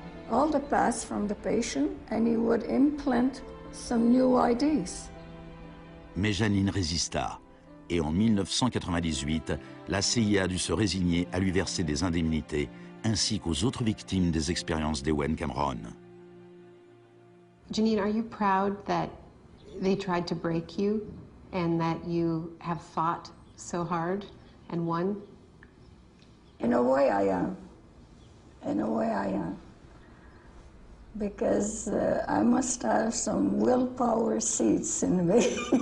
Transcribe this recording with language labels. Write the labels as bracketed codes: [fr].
[en] All the past from the patient, and he would implant some new ideas. [fr] Mais Janine résista, et en 1998, la CIA dut se résigner à lui verser des indemnités, ainsi qu'aux autres victimes des expériences d'Ewen Cameron. [en] Janine, are you proud that they tried to break you and that you have fought so hard and won? In a way, I am. In a way, I am. Because I must have some willpower seeds in me.